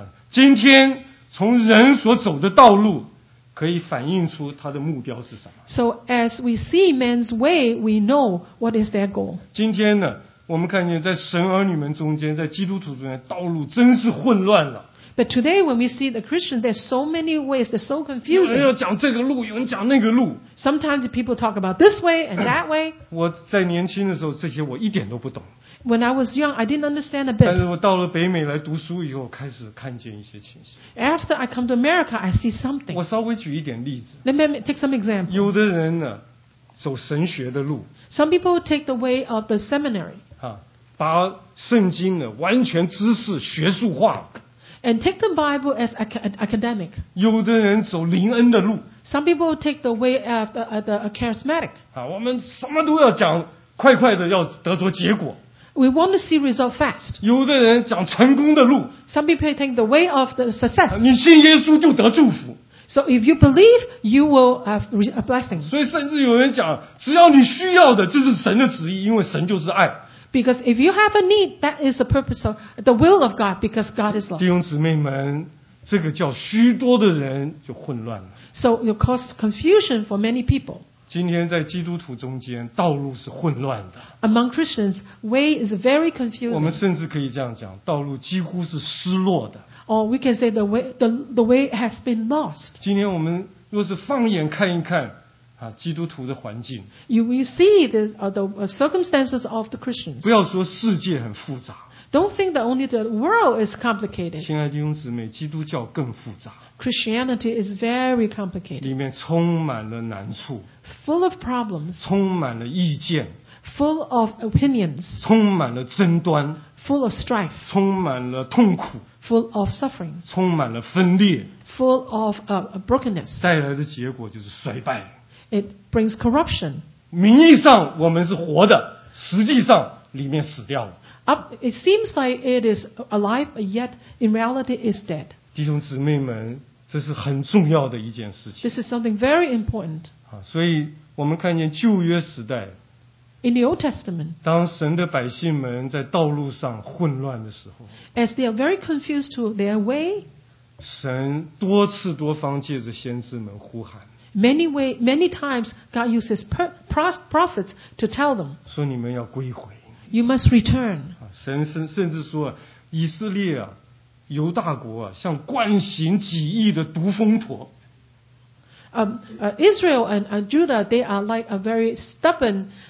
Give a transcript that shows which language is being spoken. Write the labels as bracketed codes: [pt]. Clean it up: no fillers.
[zh] 今天从人所走的道路可以反映出他的目标是什么。 [en] So as we see man's way, we know what is their goal. [zh] 今天呢，我们看见在神儿女们中间，在基督徒中间，道路真是混乱了。 [en] But today when we see the Christian, there's so many ways, they're so confusing. [zh] 有人要讲这个路，有人讲那个路。 [en] Sometimes people talk about this way and that way. [zh] 我在年轻的时候，这些我一点都不懂。 [en] When I was young, I didn't understand a bit. [zh] 但是我到了北美来读书以后，开始看见一些情形。 [en] After I come to America, I see something. [zh] 我稍微举一点例子。 [en] Let me take some examples. [zh] 有的人呢，走神学的路。 [en] Some people take the way of the seminary. [zh] 啊，把圣经呢完全知识学术化。 [en] And take the Bible as academic. [zh] 有的人走灵恩的路。 [en] Some people take the way of the charismatic. [zh] 啊，我们什么都要讲，快快的要得着结果。 [en] We want to see result fast. [zh] 有的人讲成功的路。 [en] Some people take the way of the success. [zh] 你信耶稣就得祝福。 [en] So if you believe, you will have a blessing. [zh] 所以甚至有人讲，只要你需要的，就是神的旨意，因为神就是爱。 [en] Because if you have a need, that is the purpose of the will of God, because God is love. [zh] 弟兄姊妹们，这个叫许多的人就混乱了。 [en] So it causes confusion for many people. [zh] 今天在基督徒中间，道路是混乱的。 [en] Among Christians, way is very confusing. [zh] 我们甚至可以这样讲，道路几乎是失落的。 [en] Or we can say the way has been lost. [zh] 今天我们若是放眼看一看啊，基督徒的环境 [en] ，You will see the circumstances of the Christians. [zh] 不要说世界很复杂 [en] ，Don't think that only the world is complicated. [zh] 亲爱的弟兄姊妹，基督教更复杂 [en] ，Christianity is very complicated. [zh] 里面充满了难处 [en] ，Full of problems. [zh] 充满了意见 [en] ，Full of opinions. [zh] 充满了争端 [en] ，Full of strife. [zh] 充满了痛苦 [en] ，Full of suffering. [zh] 充满了分裂 [en] ，Full of brokenness. [zh] 带来的结果就是衰败。 [en] It brings corruption. [zh] 名义上我们是活的，实际上里面死掉了。 [en] It seems like it is alive, but yet in reality is dead. [zh] 弟兄姊妹们，这是很重要的一件事情。 [en] This is something very important. [zh] 所以我们看见旧约时代 [en] ，In the Old Testament, [zh] 当神的百姓们在道路上混乱的时候 [en] ，As they are very confused to their way, [zh] 神多次多方借着先知们呼喊。 [en] Many times God uses prophets to tell them. [zh] 说你们要归回。 [en] You must return. [zh] 神甚至说，以色列啊，犹大国啊，像惯行己意的毒蜂驼。 [en] Israel and Judah, they are like a very stubborn